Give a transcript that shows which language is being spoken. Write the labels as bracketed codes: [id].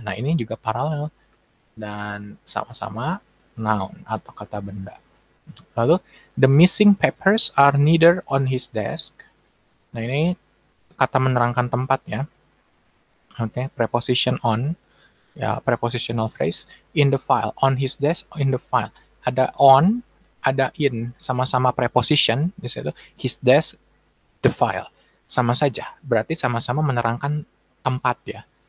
[id] Nah, ini juga paralel dan sama-sama noun atau kata benda. Lalu [en] the missing papers are neither on his desk. [id] Nah, ini kata menerangkan tempat ya. [en] Oke, okay. Preposition on ya, prepositional phrase, in the file, on his desk, in the file. [id] Ada on, ada in, sama-sama preposition di situ, his desk, the file. Sama saja, berarti sama-sama menerangkan tempat ya.